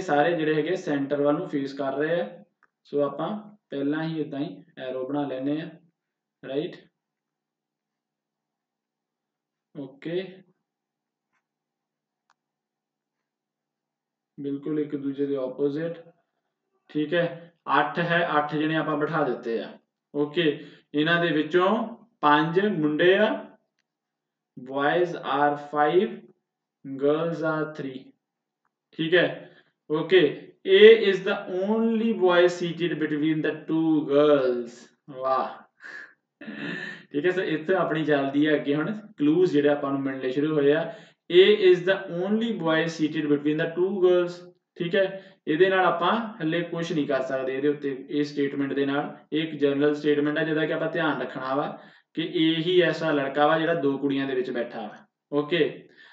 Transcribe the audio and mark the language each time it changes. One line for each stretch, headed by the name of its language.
Punjabi: ਸਾਰੇ ਜਿਹੜੇ ਹੈਗੇ ਸੈਂਟਰ ਵੱਲ ਨੂੰ ਫੇਸ ਕਰ ਰਹੇ ਹੈ, ਸੋ ਆਪਾਂ ਪਹਿਲਾਂ ਹੀ ਇੱਦਾਂ ਹੀ ਐਰੋ ਬਣਾ ਲੈਂਦੇ ਹਾਂ, ਰਾਈਟ, ਓਕੇ, ਬਿਲਕੁਲ ਇੱਕ ਦੂਜੇ ਦੇ ਆਪੋਜ਼ਿਟ, ਠੀਕ ਹੈ। 8 ਹੈ, 8 ਜਣੇ ਆਪਾਂ ਬਿਠਾ ਦਿੱਤੇ ਆ, ਓਕੇ। ਇਹਨਾਂ ਦੇ ਵਿੱਚੋਂ 5 ਮੁੰਡੇ ਆ,
English: boys are 5, girls are 3,
Punjabi: ਠੀਕ ਹੈ, okay.
English: A is the only boy seated between the two girls.
Punjabi: ਵਾਹ, ਠੀਕ ਹੈ ਸਰ, ਇੱਥੇ ਆਪਣੀ ਚੱਲਦੀ ਹੈ ਅੱਗੇ। ਹੁਣ ਕਲੂਜ਼ ਜਿਹੜੇ ਆਪਾਂ ਨੂੰ ਮਿਲਣੇ ਸ਼ੁਰੂ ਹੋਏ ਆ,
English: A is the only boy seated between the two girls,
Punjabi: ਠੀਕ ਹੈ। ਇਹਦੇ ਨਾਲ ਆਪਾਂ ਹੱਲੇ ਕੁਛ ਨਹੀਂ ਕਰ ਸਕਦੇ ਇਹਦੇ ਉੱਤੇ, ਇਸ ਸਟੇਟਮੈਂਟ ਦੇ ਨਾਲ। ਇਹ ਇੱਕ ਜਨਰਲ ਸਟੇਟਮੈਂਟ ਹੈ ਜਿਹਦਾ ਕਿ ਆਪਾਂ ਧਿਆਨ ਰੱਖਣਾ ਵਾ ਕਿ ਇਹ ਹੀ ਐਸਾ ਲੜਕਾ ਵਾ ਜਿਹੜਾ 2 ਕੁੜੀਆਂ ਦੇ ਵਿੱਚ ਬੈਠਾ ਵਾ, ਓਕੇ।